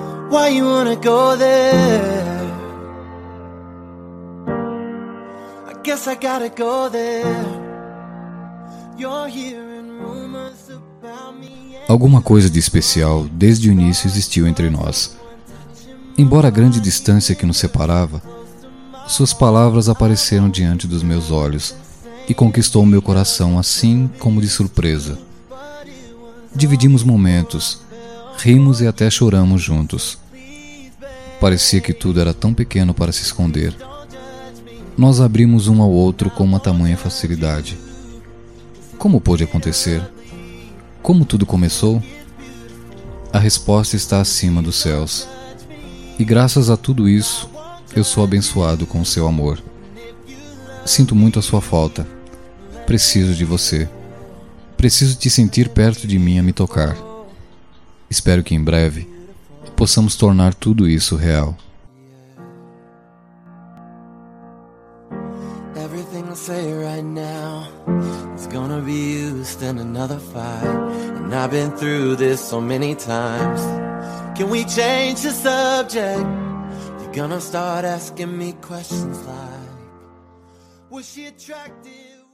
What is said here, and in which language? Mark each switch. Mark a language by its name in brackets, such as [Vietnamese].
[English] Why you wanna go there? I guess I gotta go there. You're hearing rumors about me. [Portuguese] Alguma coisa de especial desde o início existiu entre nós. Embora a grande distância que nos separava, suas palavras apareceram diante dos meus olhos e conquistou meu coração assim como de surpresa. Dividimos momentos, rimos e até choramos juntos. Parecia que tudo era tão pequeno para se esconder. Nós abrimos um ao outro com uma tamanha facilidade. Como pôde acontecer? Como tudo começou? A resposta está acima dos céus. E graças a tudo isso, eu sou abençoado com o seu amor. Sinto muito a sua falta. Preciso de você. Preciso te sentir perto de mim a me tocar. Espero que em breve possamos tornar tudo isso real. [English] Everything I say right now is gonna be used in another fight. And I've been through this so many times. Can we change the subject? You're gonna start asking me questions like, was she attractive?